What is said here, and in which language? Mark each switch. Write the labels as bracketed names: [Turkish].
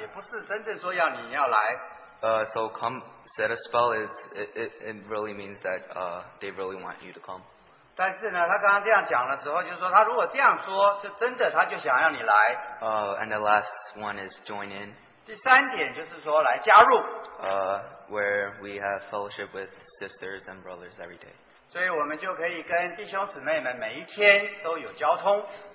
[English] So come set a spell, it really means that they really want you to come. [Chinese] 但是呢，他刚刚这样讲的时候，就是说他如果这样说，是真的，他就想要你来。 [English] And the last one is join in. [Chinese] 第三点就是说来加入。 [English] Where we have fellowship with sisters and brothers every day. [Chinese] 所以我们就可以跟弟兄姊妹们每一天都有交通。